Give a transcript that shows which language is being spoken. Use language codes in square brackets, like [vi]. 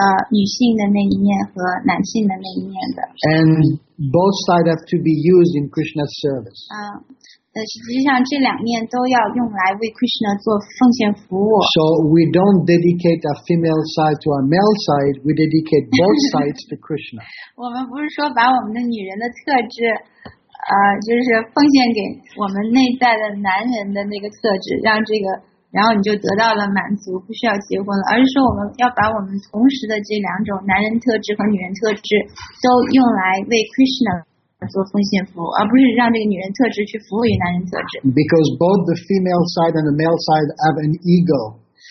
[zh] 女性的那一面和男性的那一面的 [en] And both sides have to be used in Krishna's service. [zh] 实际上这两面都要用来为 Krishna做奉献服务。 [en] So we don't dedicate our female side to our male side, we dedicate both sides to Krishna. [zh] 我们不是说把我们的女人的特质 就是奉献给我们内在的男人的那个特质, 让这个 然后你就得到了满足,不需要结婚了,而是说我们要把我们同时的这两种男人特质和女人特质都用来为 Krishna做奉献服务,而不是让这个女人特质去服务于男人特质。 [en] Because both the female side and the male side have an ego.